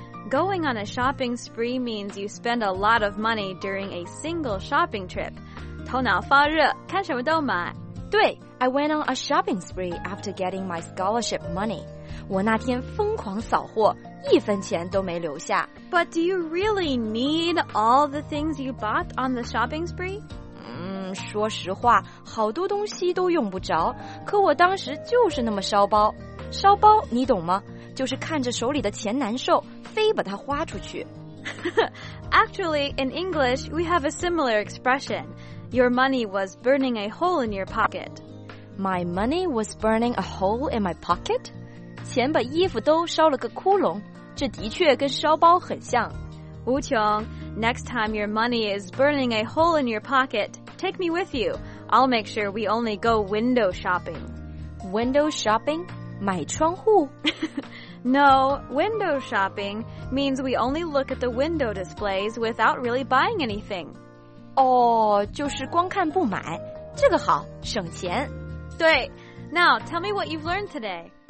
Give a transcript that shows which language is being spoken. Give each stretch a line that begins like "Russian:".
English: Going on a shopping spree means you spend a lot of money during a single shopping trip.
Chinese: 头脑发热，看什么都买。对，
English: I went on a shopping spree after getting my scholarship money.
Chinese: 我那天疯狂扫货，一分钱都没留下。
English: But do you really need all the things you bought on the shopping spree?
Chinese: 说实话，好多东西都用不着，可我当时就是那么烧包。烧包，你懂吗？就是看着手里的钱难受，非把它花出去。
English: Actually, in English, we have a similar expression. Your money was burning a hole in your pocket. My money was burning a hole in my pocket?
Chinese: 钱把衣服都烧了个窟窿，这的确跟烧包很像。
English: 无穷， next time your money is burning a hole in your pocket, take me with you. I'll make sure we only go window shopping.
Chinese: Window shopping? 买窗户？
English: No, window shopping means we only look at the window displays without really buying anything.
Chinese: 就是光看不买，这个好，省钱。
English: 对， now tell me what you've learned today.